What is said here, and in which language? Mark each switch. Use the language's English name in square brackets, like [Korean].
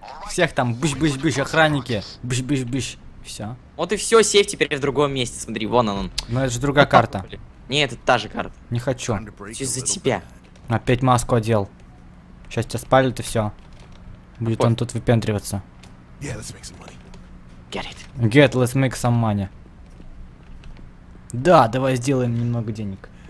[Russian] Всех там, быщ, охранники, быщ. Все. Вот и все, сейф теперь в другом месте, смотри, вон он. Но это же другая карта. Не, это та же карта. Не хочу. Все за тебя. Опять маску одел. Сейчас тебя спалят и все. Будет он тут выпендриваться. [English] Get, let's make some money. [Russian] Да, давай сделаем немного денег.